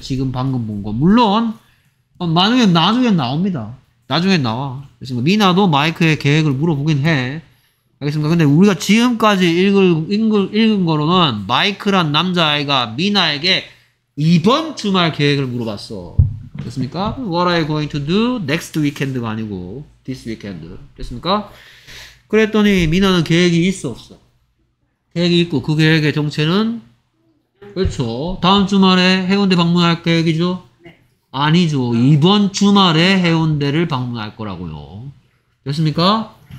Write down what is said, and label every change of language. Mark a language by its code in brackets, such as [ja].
[ko] 지금 방금 본 거. 물론 나중에 나옵니다. 나중에 나와. 됐습니까? 미나도 마이크의 계획을 물어보긴 해. 알겠습니까? 근데 우리가 지금까지 읽은 거로는 마이크란 남자아이가 미나에게 이번 주말 계획을 물어봤어. 됐습니까? [en] What are you going to do next weekend가 [ko] 아니고 [en] this weekend. [ko] 됐습니까? 그랬더니 미나는 계획이 있어 없어? 계획이 있고 그 계획의 정체는? 그렇죠. 다음 주말에 해운대 방문할 계획이죠? 아니죠. 이번 주말에 해운대를 방문할 거라고요. 됐습니까?